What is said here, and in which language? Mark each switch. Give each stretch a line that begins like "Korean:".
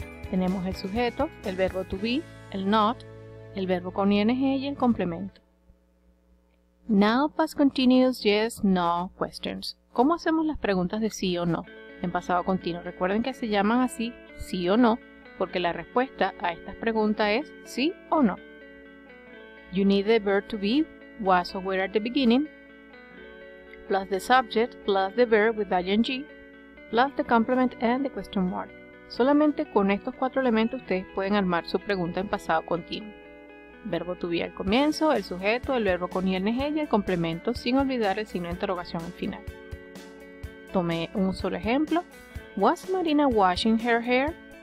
Spanish: Tenemos el sujeto, el verbo to be, el not, el verbo con ing y el complemento.
English: Now past continuous yes, no questions.
Spanish: ¿Cómo hacemos las preguntas de sí o no en pasado continuo? Recuerden que se llaman así, sí o no, porque la respuesta a estas preguntas es sí o no.
English: You need the verb to be, was or were at the beginning, plus the subject, plus the verb with ing, plus the complement and the question mark.
Spanish: Solamente con estos cuatro elementos ustedes pueden armar su pregunta en pasado continuo. Verbo to be al comienzo, el sujeto, el verbo con ing y el complemento, sin olvidar el signo de interrogación al final. Tomé un solo ejemplo.
English: Was Marina washing her hair?